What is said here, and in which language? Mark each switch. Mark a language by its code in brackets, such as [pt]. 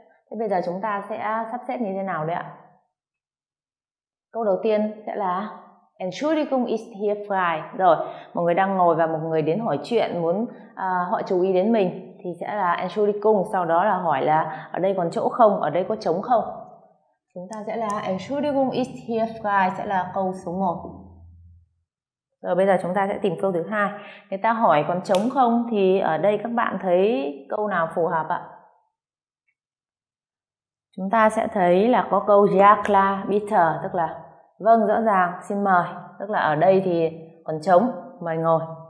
[vi] Thế bây giờ chúng ta sẽ sắp xếp như thế nào đấy ạ? Câu đầu tiên sẽ là [de] Entschuldigung, ist hier frei? [vi] Rồi, một người đang ngồi và một người đến hỏi chuyện muốn họ chú ý đến mình thì sẽ là Entschuldigung, sau đó là hỏi là ở đây còn chỗ không, ở đây có trống không? Chúng ta sẽ là [de] Entschuldigung, ist hier frei? [vi] Sẽ là câu số 1. Rồi bây giờ chúng ta sẽ tìm câu thứ hai. Người ta hỏi còn trống không thì ở đây các bạn thấy câu nào phù hợp ạ? Chúng ta sẽ thấy là có câu [de] Ja, klar, bitte, [vi] tức là vâng, rõ ràng, xin mời, tức là ở đây thì còn trống, mời ngồi.